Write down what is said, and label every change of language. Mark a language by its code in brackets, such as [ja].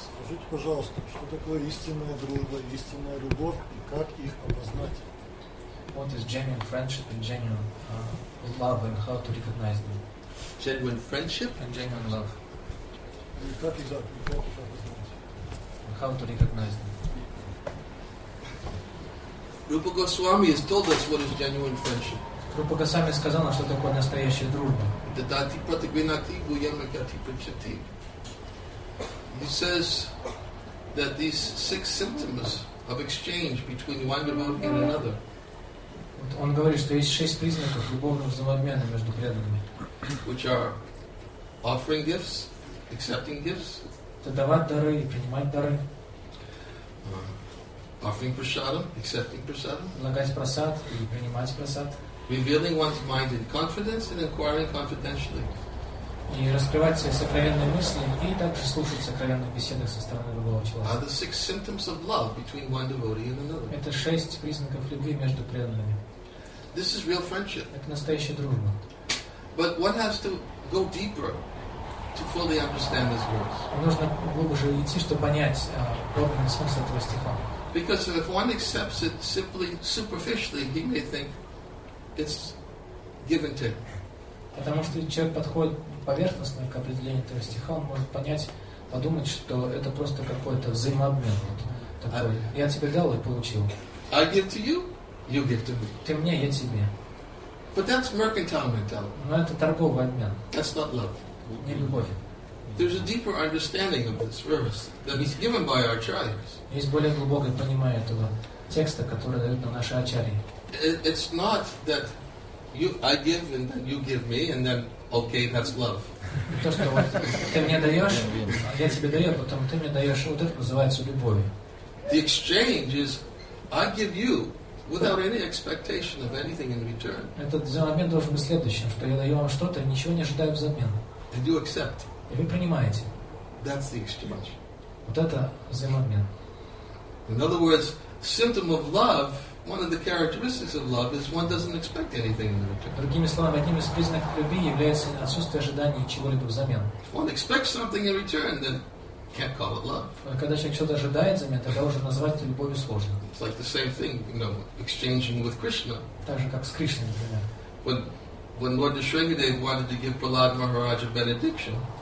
[ru] Скажите, пожалуйста, что такое истинная дружба, истинная любовь, и как их опознать? [en] What is genuine friendship and genuine love, and how to recognize them? Genuine friendship and genuine love. [ru] И как их опознать? [en] And how to recognize them? Rupa Goswami has told us what is genuine friendship. [ru] Rupa Goswami сказал нам, что такое настоящая дружба. [sa] Dadati pratigvinati guyamakati pratchati. [en] He says that these six symptoms of exchange between one devotee and another. [ru] Он говорит, что есть шесть признаков любовного взаимообмена между преданными. [en] Which are offering gifts, accepting gifts. [ru] Это давать дары и принимать дары. [en] Offering prasadam, accepting prasadam. [ru] Предлагать просад и принимать просад. [en] Revealing one's mind in confidence and inquiring confidentially. [ru] И раскрывать свои сокровенные мысли и также слушать сокровенных бесед со стороны другого человека. [en] Are the six symptoms of love between one devotee and another. [ru] Это шесть признаков любви между преданными. [en] This is real friendship. [ru] Это настоящая дружба. [en] But one has to go deeper to fully understand this verse. [ru] Нужно глубже идти, чтобы понять подлинный смысл этого стиха. [en] Because if one accepts it simply superficially, he may think it's give and take. [ru] Потому что человек подходит поверхностно к определению этого стиха, он может понять, подумать, что это просто какой-то взаимообмен вот такой. Я тебе дал и получил. [en] I give to you, you give to me. [ru] Ты мне, я тебе. [en] But that's mercantile mentality. [ru] Но это торговый обмен. [en] That's not love. [ru] Не любовь. [en] There's a deeper understanding of this verse that is given by our acharyas. [ru] Есть более глубокое понимание этого текста, который дают нам наши ачарьи. [en] It's not that I give and then you give me and then okay, that's love. [ru] То, что ты мне даешь, я тебе даю, потом ты мне даешь, вот это называется любовью. [en] The exchange is I give you without any expectation of anything in return. [ru] Этот взаимообмен должен быть следующим, что я даю вам что-то, ничего не ожидаю взамен. [en] And you accept. [ru] И вы принимаете. [en] That's the exchange. [ru] Вот это взаимообмен. [en] In other words, symptom of love, One of the characteristics of love is one doesn't expect anything in return. [ru] Другими словами, одним из признаков любви является отсутствие ожидания чего-либо взамен. [en] If one expects something in return, then can't call it love. [ru] Когда человек что-то ожидает взамен, тогда уже назвать это любовью сложно. [en] It's like the same thing, you know, exchanging with Krishna. [ru] Так же как с Кришной, например. [en] When Lord Shrinivas wanted to give Prahlad Maharaj a benediction.